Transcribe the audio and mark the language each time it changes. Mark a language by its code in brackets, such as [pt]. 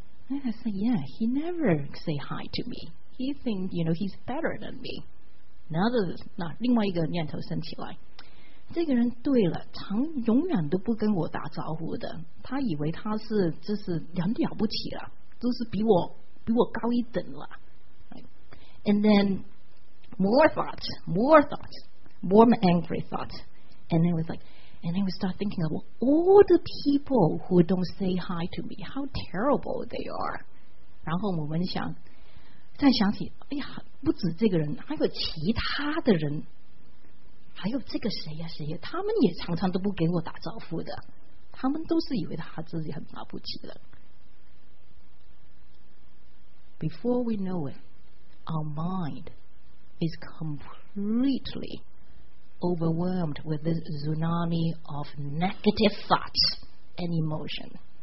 [en] And I say, yeah, he never say hi to me. He thinks, you know, he's better than me. [zh] 另外一个念头升起来，这个人对了，常永远都不跟我打招呼的。他以为他是就是很了不起了，就是比我高一等了。 [en] Right? And then more angry thoughts. And then we start thinking of all the people who don't say hi to me, how terrible they are. [zh] 然后我们再想起，哎呀，不止这个人，还有其他的人，还有这个谁呀，他们也常常都不给我打招呼的，他们都是以为他自己很了不起的。 [en] Before we know it, our mind is completely. Overwhelmed with this tsunami of negative thoughts and emotion.